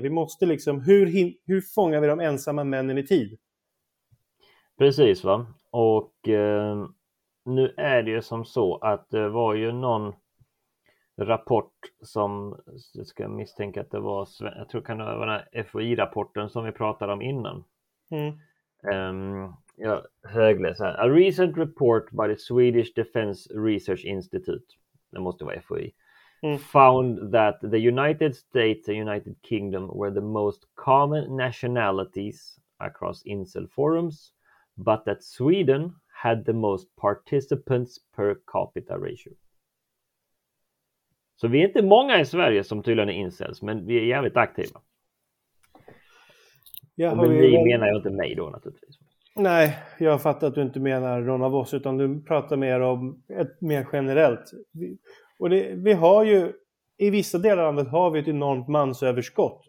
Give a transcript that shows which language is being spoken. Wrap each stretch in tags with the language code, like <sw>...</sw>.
<sv>Vi måste liksom, hur fångar vi de ensamma männen i tid? Precis, va? Och nu är det ju som så att det var ju någon rapport som, jag ska misstänka att det var, jag tror kan det vara den här FOI-rapporten som vi pratade om innan. Mm. Jag högläser här.</sv> <en>A recent report by the Swedish Defense Research Institute,</en> <sv>det måste vara FOI,</sv> <en>found that the United States and United Kingdom were the most common nationalities across incel forums, but that Sweden had the most participants per capita ratio.</en> <sv>Så vi är inte många i Sverige som tydligen är incels, men vi är jävligt aktiva. Ja, men ni menar ju inte mig då naturligtvis. Nej, jag fattar att du inte menar någon av oss, utan du pratar mer om ett mer generellt. Och vi har ju, i vissa delar av landet har vi ett enormt mansöverskott.</sv>